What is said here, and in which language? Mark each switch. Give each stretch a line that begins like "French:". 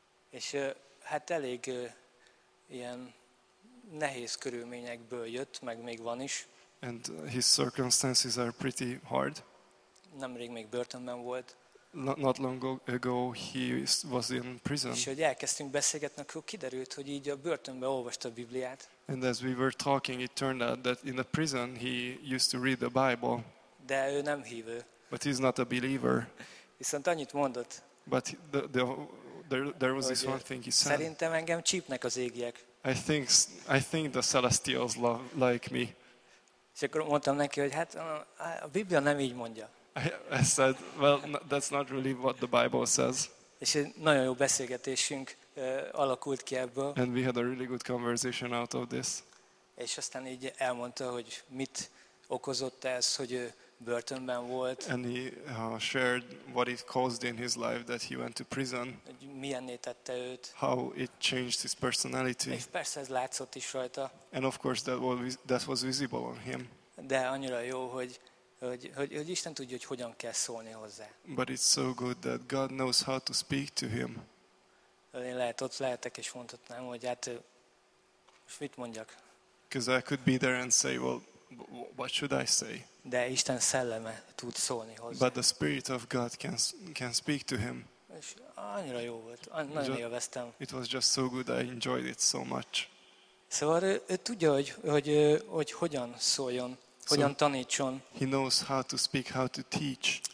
Hungarian: És hát elég ilyen nehéz körülményekből jött, meg még van is.
English: And his circumstances are pretty hard.
Hungarian: Nemrég még börtönben volt.
English: Not long ago he was in prison.
Hungarian: És hogy elkezdtünk beszélgetni, akkor kiderült, hogy így a börtönben olvasta a Bibliát.
English: And as we were talking, it turned out that in the prison he used to read the Bible.
Hungarian: De ő nem hívő.
English: But he's not a believer.
Hungarian: Viszont annyit mondott.
English: But there was this one thing he said.
Hungarian: Szerintem engem csípnek az égiek.
English: I think the celestials love like me.
Hungarian: És akkor mondtam neki, hogy hát a Biblia nem így mondja.
English: I said, well, that's not really what the Bible says.
Hungarian: És egy nagyon jó beszélgetésünk alakult ki ebből.
English: And we had a really good conversation out of this.
Hungarian: És aztán így elmondta, hogy mit okozott ez, hogy ő börtönben volt.
English: And he shared what it caused in his life that he went to prison.
Hungarian: Hogy milyenné tette őt.
English: How it changed his personality.
Hungarian: És persze ez látszott is rajta.
English: And of course that was visible on him.
Hungarian: De annyira jó, hogy Isten tudja, hogy hogyan kell szólni hozzá.
English: But it's so good that God knows how to speak to him.
Hungarian: Én lehet ott lehetek és mondhatnám, hogy hát most mit mondjak?
English: Because I could be there and say, well, what should I say?
Hungarian: De Isten szelleme tud szólni hozzá.
English: But the Spirit of God can speak to him.
Hungarian: És annyira jó volt, nagyon élveztem.
English: It was just so good, I enjoyed it so much.
Hungarian: Szóval ő tudja, hogy hogyan szóljon. Hogyan tanítson.
English: He knows how to speak, how to teach.